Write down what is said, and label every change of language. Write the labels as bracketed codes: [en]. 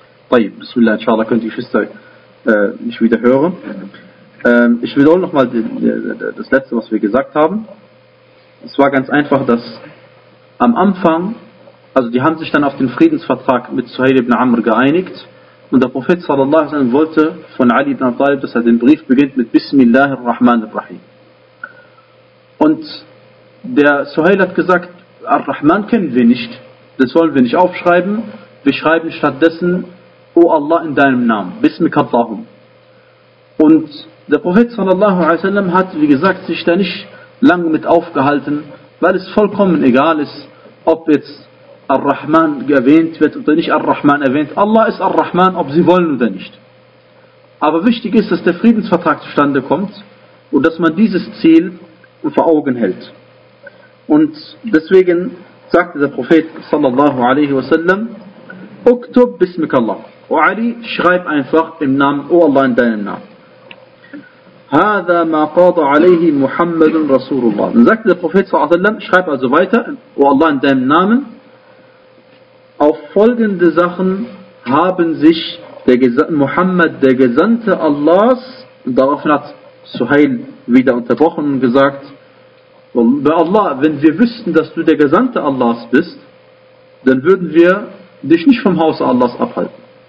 [ar] طيب بسم الله ان شاء الله كنت يشسته مش [de] wiederhöre. Ich wiederhole nochmal das Letzte, was wir gesagt haben. Es war ganz einfach, dass am Anfang, also die haben sich dann auf den Friedensvertrag mit Suhail ibn Amr geeinigt und der Prophet sallallahu alaihi wasallam wollte von Ali ibn Talib, dass er den Brief beginnt mit Bismillahirrahmanirrahim. Und der Suhail hat gesagt, Ar-Rahman kennen wir nicht, das wollen wir nicht aufschreiben, wir schreiben stattdessen, O Allah in deinem Namen, Bismikallahum. Und der Prophet sallallahu alaihi wasallam hat, wie gesagt, sich da nicht lange mit aufgehalten, weil es vollkommen egal ist, ob jetzt Ar-Rahman erwähnt wird oder nicht Ar-Rahman erwähnt. Allah ist Ar-Rahman, ob sie wollen oder nicht. Aber wichtig ist, dass der Friedensvertrag zustande kommt und dass man dieses Ziel vor Augen hält. Und deswegen sagte der Prophet sallallahu alaihi wasallam: [ar] Uktub bismikallah. [de] O Ali, schreib einfach im Namen, O Allah, in deinem Namen. [ar] هذا ما قاض عليه محمد رسول الله. [de] Dann sagte der Prophet sallallahu alaihi wasallam: Schreib also weiter, O Allah, in deinem Namen. Auf folgende Sachen haben sich Muhammad, der Gesandte Allahs, und daraufhin hat Suhail wieder unterbrochen und gesagt: Bei Allah, wenn wir wüssten, dass du der Gesandte Allahs bist, dann würden wir dich nicht vom Haus Allahs abhalten.